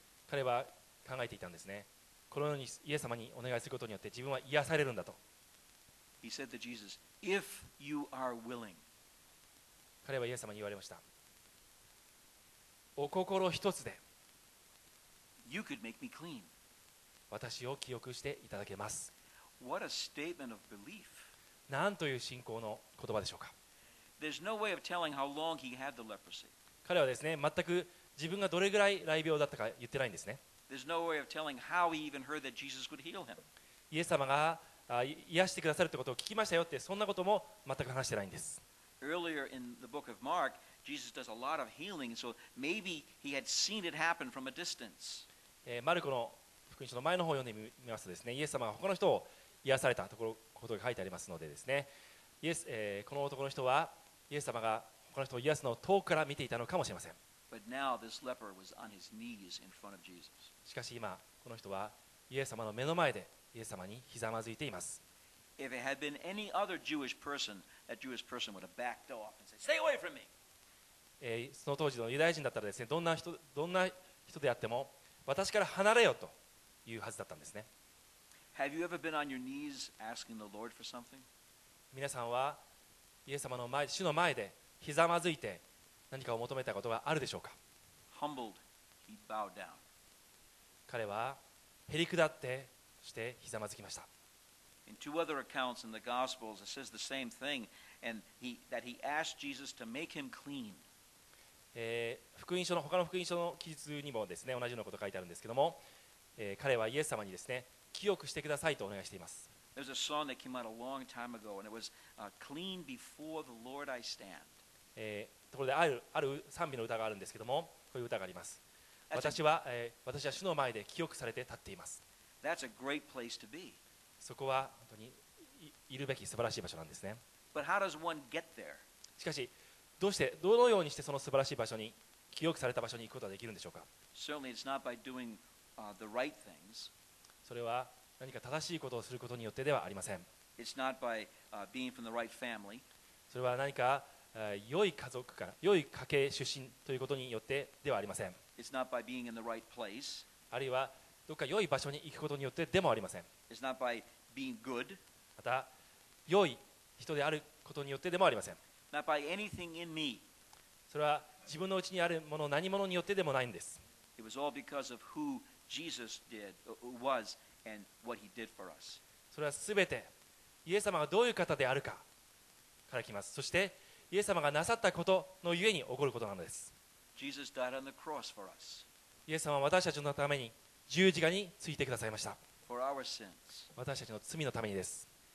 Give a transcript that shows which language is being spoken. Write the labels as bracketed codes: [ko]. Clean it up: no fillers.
[ja] 彼は考えていたんですね。このようにイエス様にお願いすることによって自分は癒されるんだと。 [en] He said to Jesus, "If you are willing." [ja] 彼はイエス様に言われました。お心一つで、 [en] You could make me clean. [ja] 私を清くしていただけます。 [en] What a statement of belief. [ja] なんという信仰の言葉でしょうか。 [en] There's no way of telling how long he had the leprosy. [ja] 彼はですね、全く自分がどれぐらい雷病だったか言ってないんですね。 [en] There's no way of telling how he even heard that Jesus could heal him. [ja] イエス様が癒してくださるってことを聞きましたよって、そんなことも全く話してないんです。 [en] Earlier in the book of Mark, Jesus does a lot of healing, so maybe he had seen it happen from a distance. [ja] マルコの福音書の前の方を読んでみますとですね、イエス様が他の人を癒されたところことが書いてありますのでですね、イエス、この男の人はイエス様が他の人を癒すのを遠くから見ていたのかもしれません。 [en] But now this leper was on his knees in front of Jesus. [ja] しかし今この人はイエス様の目の前でイエス様にひざまずいています。 [en] person would have backed off and said, Stay away from me! [ja] その当時のユダヤ人だったらですね、どんな人であっても私から離れよというはずだったんですね。 [en] Have you ever been on your knees asking the Lord for something? [ja] 皆さんはイエス様の前、主の前でひざまずいて何かを求めたことがあるでしょうか。 [en] Humbled, he bowed down. [ja] 彼はへりくだってそしてひざまずきました。 [en] In two other accounts in the Gospels, it says the same thing, and that he asked Jesus to make him clean. [ja] 他の福音書の記述にもですね、同じようなこと書いてあるんですけども、彼はイエス様にですね、清くしてくださいとお願いしています。 [en] There's a song that came out a long time ago, and it was, "Clean before the Lord I stand." [ja] ところである、賛美の歌があるんですけども、こういう歌があります。私は主の前で清くされて立っています。 [en] That's a great place to be. [ja] そこは本当にいるべき素晴らしい場所なんですね。 [en] But how does one get there? [ja] しかし、どのようにしてその素晴らしい場所に、清くされた場所に行くことができるんでしょうか。 [en] Certainly it's not by doing, the right things. [ja] それは何か正しいことをすることによってではありません。 [en] It's not by, being from the right family. [ja] それは何か、良い家族から、良い家系出身ということによってではありません。 [en] It's not by being in the right place. [ja] あるいはどこか良い場所に行くことによってでもありません。 [en] It's not by being good. [ja] また、良い人であることによってでもありません。 [en] Not by anything in me. [ja] それは自分のうちにあるもの、何ものによってでもないんです。 [en] It was all because of who Jesus did, was and what he did for us. [ja] それはすべて、イエス様がどういう方であるかから来ます。そして、イエス様がなさったことのゆえに起こることなのです。 [en] Jesus died on the cross for us. [ja] イエス様は私たちのために、十字架についてくださいました。私たちの罪のためにです。